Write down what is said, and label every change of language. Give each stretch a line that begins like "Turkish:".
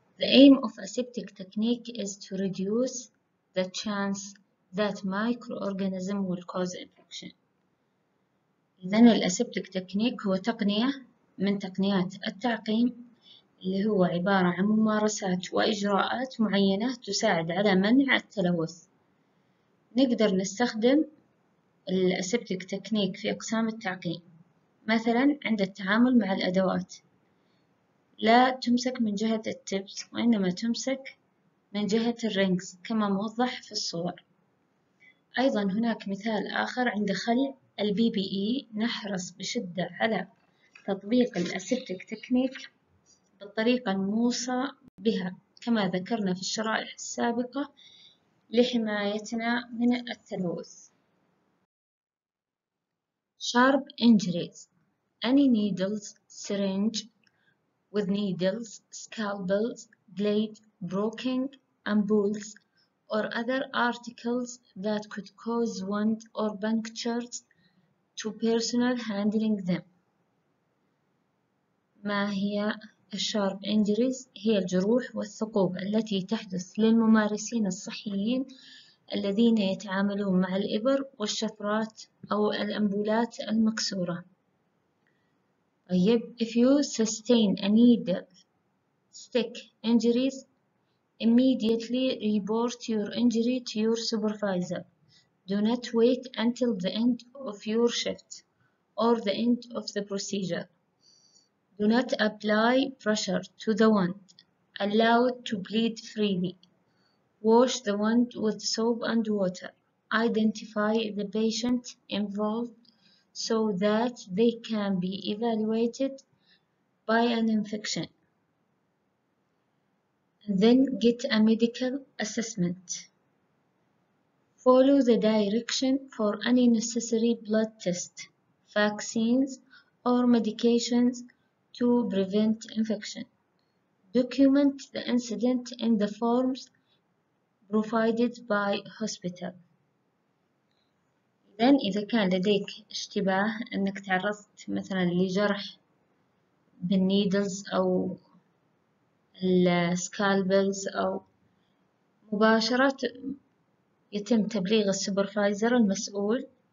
English: The aim of aseptic technique is to reduce the chance that microorganism will cause infection.
Arabic: إذن الأسيبتيك تكنيك هو تقنية من تقنيات التعقيم، اللي هو عبارة عن ممارسات وإجراءات معينة تساعد على منع التلوث. نقدر نستخدم الأسيبتيك تكنيك في أقسام التعقيم، مثلا عند التعامل مع الأدوات لا تمسك من جهة التبس وإنما تمسك من جهة الرينجز كما موضح في الصور. أيضا هناك مثال آخر عند خلع البي بي إي، نحرص بشدة على تطبيق الأسيبتيك تكنيك بالطريقة الموصى بها كما ذكرنا في الشرائح السابقة لحمايتنا من التلوث.
English: Sharp injuries. Any needles, syringe with needles, scalpels, blade, broken ampoules, or other articles that could cause wound or punctures to personnel handling them.
Arabic: ما هي الشارب انجريز؟ هي الجروح والثقوب التي تحدث للممارسين الصحيين الذين يتعاملون مع الإبر والشفرات أو الأمبولات المكسورة.
English: طيب if you sustain a needle stick injuries immediately report your injury to your supervisor. Do not wait until the end of your shift or the end of the procedure. Do not apply pressure to the wound. Allow it to bleed freely. Wash the wound with soap and water. Identify the patient involved so that they can be evaluated by an infection. Then get a medical assessment. Follow the direction for any necessary blood test, vaccines, or medications to prevent infection. Document the incident in the forms provided by hospital.
Arabic: إذن إذا كان لديك اشتباه أنك تعرضت مثلا لجرح بالنيدلز أو السكالبلز، أو مباشرة يتم تبليغ السوبرفايزر المسؤول.